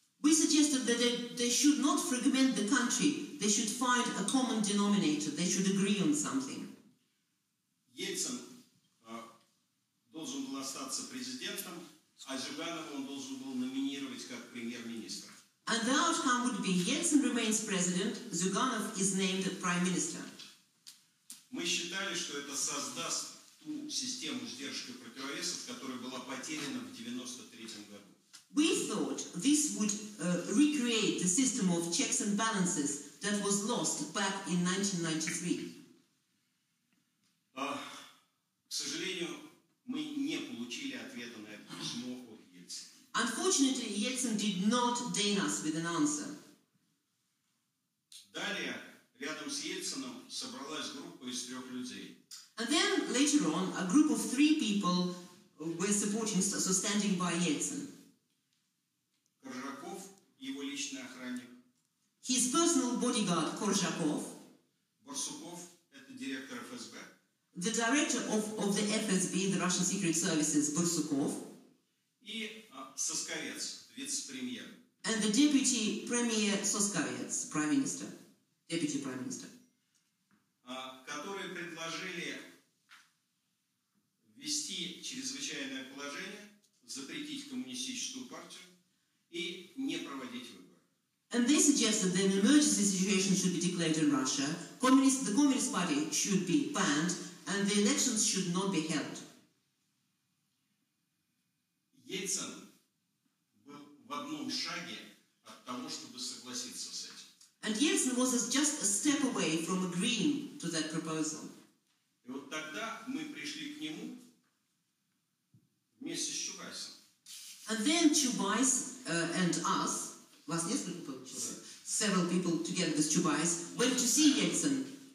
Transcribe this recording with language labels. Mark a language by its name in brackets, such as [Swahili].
[English] We suggested that they should not fragment the country, they should find a common denominator, they should agree on something. [Russian] Ельцин должен был остаться президентом, а Зюганова он должен был номинировать как премьер-министра. [English] And the outcome would be Yeltsin remains president, Zyuganov is named prime minister. [Russian] Мы считали, что это создаст ту систему сдержки противовесов, которая была потеряна в 93-м году. [English] We thought this would recreate the system of checks and balances that was lost back in 1993. [Russian] К сожалению, мы не получили ответа на это письмо от Ельцина. [English] Unfortunately, Yeltsin did not deign us with an answer. [Russian] Далее, рядом с Ельцином собралась группа из трех людей. [English] And then, later on, a group of three people were supporting, so standing by Yeltsin. [Russian] Коржаков, его личный охранник. [English] His personal bodyguard, Коржаков. [Russian] Барсуков, это директор ФСБ. [English] The director of the FSB, the Russian Secret Services, Барсуков. [Russian] И Сосковец, вице-премьер. [English] And the deputy premier Сосковец, prime minister. Deputy prime minister. [Russian] Которые предложили ввести чрезвычайное положение, запретить коммунистическую партию и не проводить выборы. [English] And they suggested that an emergency situation should be declared in Russia, the communist party should be banned, and the elections should not be held. [Russian] Ельцин был в одном шаге от того, чтобы согласиться с этим. [English] And Yeltsin was just a step away from agreeing to that proposal. [Russian] И вот тогда мы пришли к нему вместе с Чубайсом. [English] And then Chubais and us, was [Russian] несколько [English] people, several people together with Chubais, went to see Yeltsin.